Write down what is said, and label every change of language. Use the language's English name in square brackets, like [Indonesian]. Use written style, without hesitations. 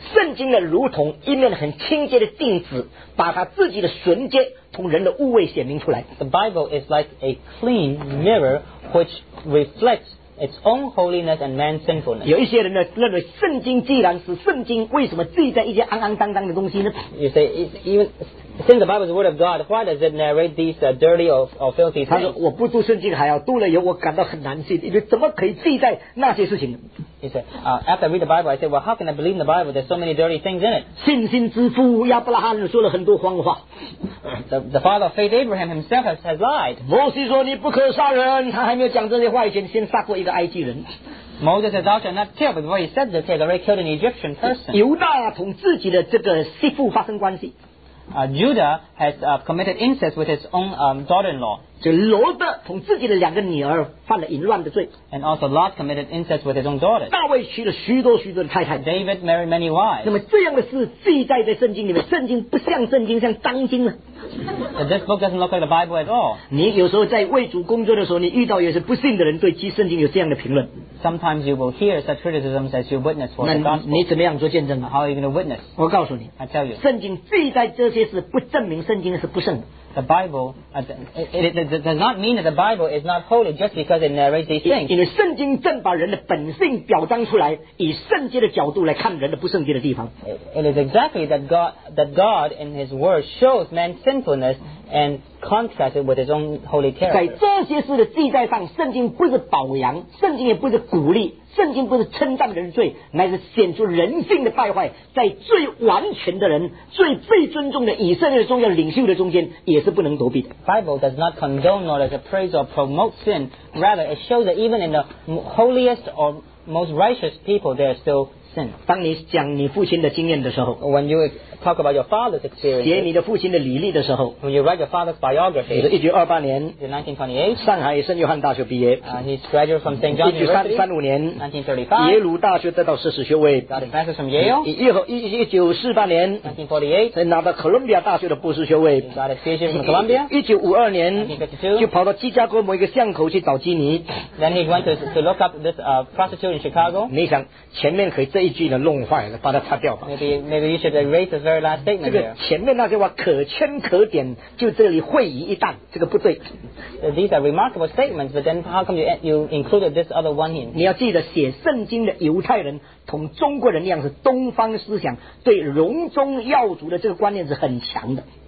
[Chinese] 圣经呢，如同一面很清洁的镜子，把它自己的纯洁从人的污秽显明出来。 [English] The Bible is like a clean mirror which reflects its own holiness and man's sinfulness. [Chinese] 有一些人呢认为圣经既然是圣经，为什么记载一些肮肮脏脏的东西呢 [English] ？You say even since the Bible is the word of God, why does it narrate these dirty or filthy things? [Chinese] 他说我不读圣经还要读了以后我感到很难信，因为怎么可以记载那些事情呢？ [English] He said, after I read the Bible, I said, well, how can I believe in the Bible? There's so many dirty things in it. [Chinese] 信心之父亚伯拉罕说了很多谎话。 [English] The father of faith, Abraham himself, has lied. [Chinese] 摩西说你不可杀人。他还没有讲这些话以前，先杀过一个埃及人。 [English] Moses said, thou shalt not kill. But before he said this, he had already killed an Egyptian person. [Chinese] 犹大同自己的这个媳妇发生关系。 [English] Judah has committed incest with his own daughter-in-law. [Chinese] 这罗德同自己的两个女儿犯了淫乱的罪。 [English] And also Lot committed incest with his own daughter. [Chinese] 大卫娶了许多许多的太太。 [English] David married many wives. [Chinese] 那么这样的事记载在圣经里面，圣经不像圣经，像当今呢。 [English] This book doesn't look like the Bible at all. [Chinese] 你有时候在为主工作的时候，你遇到有些不信的人对其圣经有这样的评论。 [English] Sometimes you will hear such criticisms as you witness for the gospel. [Chinese] 你怎么样做见证呢 [English] ？How are you going to witness? [Chinese] 我告诉你 [English] ，I tell you， [Chinese] 圣经记载这些事不证明圣经是不圣的。 [English] The Bible it does not mean that the Bible is not holy just because it narrates these things. [Chinese] 因为圣经正把人的本性表彰出来，以圣洁的角度来看人的不圣洁的地方。 [English] It is exactly that God in His Word shows man's sinfulness and contrasts it with His own holy character. [Chinese] 在这些事的记载上，圣经不是褒扬，圣经也不是鼓励，圣经不是称赞人的罪，乃是显出人性的败坏，在最完全的人、最被尊重的以色列的重要领袖的中间，也是不能躲避的。 [English] Bible does not condone nor does it praise or promote sin. Rather, it shows that even in the holiest or most righteous people, there is still sin. [Chinese] 当你讲你父亲的经验的时候 [English] ，When you talk about your father's experience， [Chinese] 写你的父亲的履历的时候 [English] ，When you write your father's biography， [Chinese] 是1928年 [English] ，1928， [Chinese] 上海圣约翰大学毕业 [English] ，He's graduated from St. John's University， [Chinese] 1935年 [English] ，1935， [Chinese] 耶鲁大学得到硕士学位 [English] ，Got a master's from Yale， [Chinese] 1948年 [English] ，1948， [Chinese] 拿到哥伦比亚大学的博士学位 [English] ，Got a PhD from Columbia， [Chinese] 1952年 [English] ，1952， [Chinese] 就跑到芝加哥某一个巷口去找基尼 [English] ，Then he went to look up this prostitute in Chicago， [Chinese] 你想前面可以这一句呢弄坏了，把它擦掉吧 [English] ，Maybe you should erase the very last statement [Chinese] 这个前面那句话可圈可点，就这里会意一旦，这个不对。 [English] These are remarkable statements, but then how come you included this other one in? [Chinese] 你要记得写圣经的犹太人同中国人那样是东方思想，对荣宗耀祖的这个观念是很强的。